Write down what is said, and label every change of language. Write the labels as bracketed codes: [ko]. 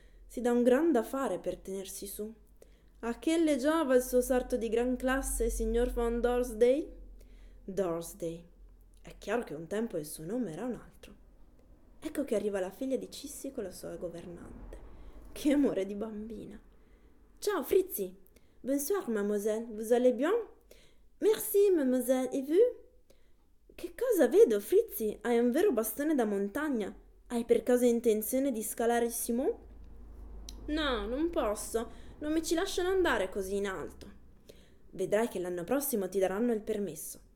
[it] Si dà un gran da fare per tenersi su. A che le giova il suo sarto di gran classe, signor von Dorsday? Dorsday. È chiaro che un tempo il suo nome era un altro. Ecco che arriva la figlia di Cissi con la sua governante. Che amore di bambina. Ciao Frizzi. [fr] Bonsoir mademoiselle, vous allez bien? Merci, mademoiselle, et vous? [it] Che cosa vedo, Frizzi? Hai un vero bastone da montagna. Hai per caso intenzione di scalare il Simon? No, non posso. Non mi ci lasciano andare così in alto. Vedrai che l'anno prossimo ti daranno il permesso.